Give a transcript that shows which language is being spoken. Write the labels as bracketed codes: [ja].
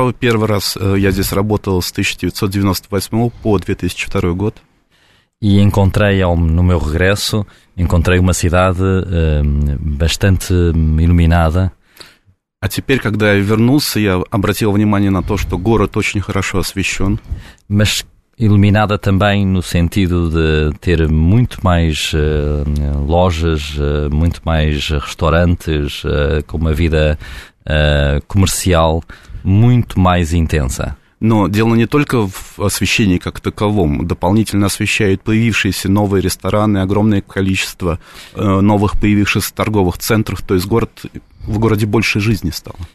[pt] Você está certo, primeiro dia que eu trabalhei foi de 1998 para 2002. E encontrei, no meu regresso, encontrei uma cidade bastante iluminada. [ru] А теперь, когда я вернулся, я обратил внимание на то, что город очень хорошо освещен. [pt] Mas iluminada também no sentido de ter muito mais lojas, muito mais restaurantes, com uma vida comercial muito mais intensa. [ru] Но дело не только в освещении как таковом. Дополнительно освещают появившиеся новые рестораны, огромное количество новых появившихся торговых центров. То есть город, в городе больше жизни стало.